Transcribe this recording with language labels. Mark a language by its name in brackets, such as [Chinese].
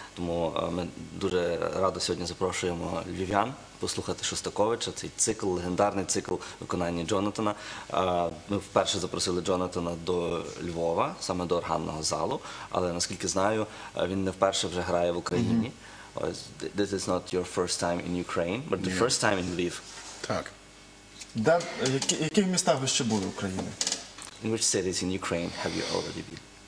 [Ukrainian] Тому ми дуже радо сьогодні запрошуємо львів'ян послухати Шостаковича, цей цикл, легендарний цикл виконання Джонатана. Ми вперше запросили Джонатана до Львова, саме до органного залу. Але, наскільки знаю, він не вперше вже грає в Україні. [English] This is not your first time in Ukraine, but the first time in Lviv. [Ukrainian] Так. Яких містах ви ще були в Україні? [English] In which cities in Ukraine have you already been?